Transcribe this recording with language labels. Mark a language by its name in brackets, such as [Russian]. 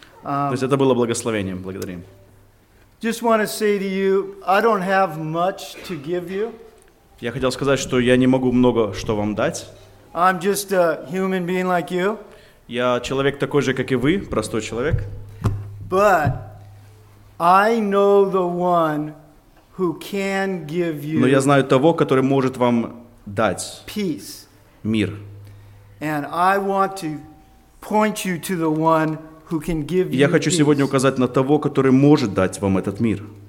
[Russian] То есть это было благословением, благодарим. [English] Just want to say to you, I don't have much to give you. [Russian] Я хотел сказать, что я не могу много что вам дать. [English] I'm just a human being like you. [Russian] Я человек такой же, как и вы, простой человек. [English] But I know the one who can give you. [Russian] Но я знаю того, который может вам дать. [English] Peace. [Russian] Мир. [English] And I want to point you to the one. [Russian] Я хочу сегодня указать на того, который может дать вам этот мир.